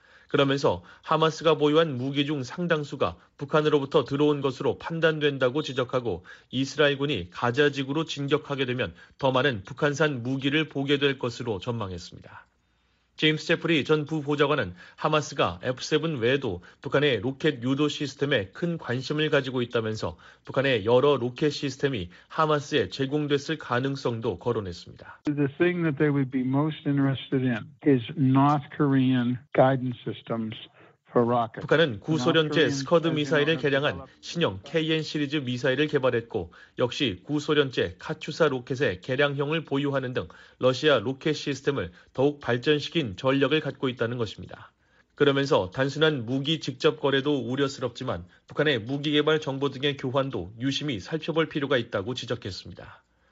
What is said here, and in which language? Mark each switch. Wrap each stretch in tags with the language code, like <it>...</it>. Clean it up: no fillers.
<ko>그러면서 하마스가 보유한 무기 중 상당수가 북한으로부터 들어온 것으로 판단된다고 지적하고 이스라엘군이 가자지구로 진격하게 되면 더 많은 북한산 무기를 보게 될 것으로 전망했습니다. 제임스 제프리 전 부보좌관은 하마스가 F-7 외에도 북한의 로켓 유도 시스템에 큰 관심을 가지고 있다면서 북한의 여러 로켓 시스템이 하마스에 제공됐을 가능성도 거론했습니다.</ko> <en>The thing that they would be most interested in is North Korean guidance systems.</en> <ko>북한은 구소련제 스커드 미사일을 개량한 신형 KN 시리즈 미사일을 개발했고 역시 구소련제 카츄사 로켓의 개량형을 보유하는 등 러시아 로켓 시스템을 더욱 발전시킨 전력을 갖고 있다는 것입니다. 그러면서 단순한 무기 직접 거래도 우려스럽지만 북한의 무기 개발 정보 등의 교환도 유심히 살펴볼 필요가 있다고 지적했습니다.</ko>